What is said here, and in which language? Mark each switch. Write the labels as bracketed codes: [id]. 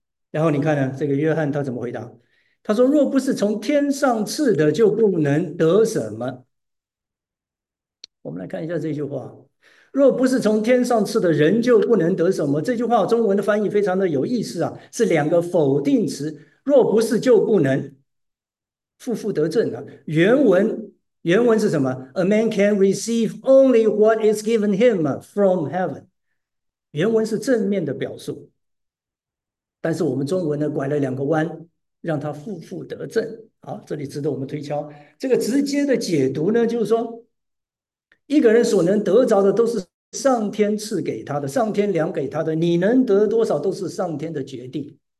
[zh] 然后你看呢，这个约翰他怎么回答？他说：“若不是从天上赐的，就不能得什么。 ”我们来看一下这句话：“若不是从天上赐的，人就不能得什么。” 这句话中文的翻译非常的有意思啊，是两个否定词，“若不是就不能”，负负得正啊。原文是什么？“ [en] A man can receive only what is given him from heaven。 [zh] ”原文是正面的表述，但是我们中文呢，拐了两个弯。让他负负得正，好，这里值得我们推敲。这个直接的解读呢，就是说，一个人所能得着的都是上天赐给他的，上天量给他的，你能得多少都是上天的决定。